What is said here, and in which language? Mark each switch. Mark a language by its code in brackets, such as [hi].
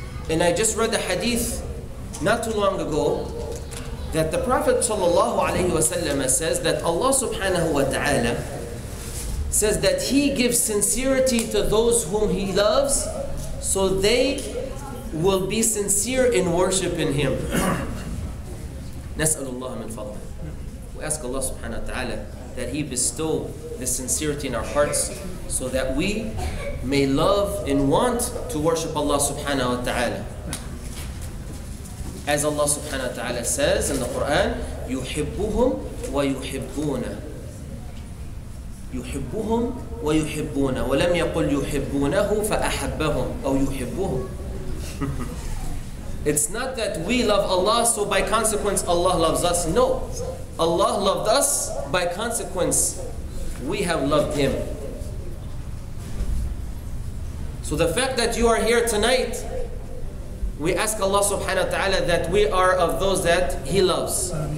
[en] And I just read a hadith not too long ago that the Prophet sallallahu alayhi wa sallam says that Allah subhanahu wa ta'ala says that He gives sincerity to those whom He loves, so they will be sincere in worshiping Him. [ar] نسأل الله من فضله. [en] We ask Allah subhanahu wa ta'ala that He bestow this sincerity in our hearts so that we may love and want to worship Allah subhanahu wa ta'ala. As Allah subhanahu wa ta'ala says in the Quran, [ar] يُحِبُّهُمْ وَيُحِبُّونَ يُحِبُّهُمْ وَيُحِبُّونَ وَلَمْ يَقُلْ يُحِبُّونَهُ فَأَحَبَّهُمْ أَوْ يُحِبُّهُمْ. [en] It's not that we love Allah, so by consequence Allah loves us. No. Allah loved us, by consequence we have loved Him. So the fact that you are here tonight, we ask Allah subhanahu wa ta'ala that we are of those that He loves.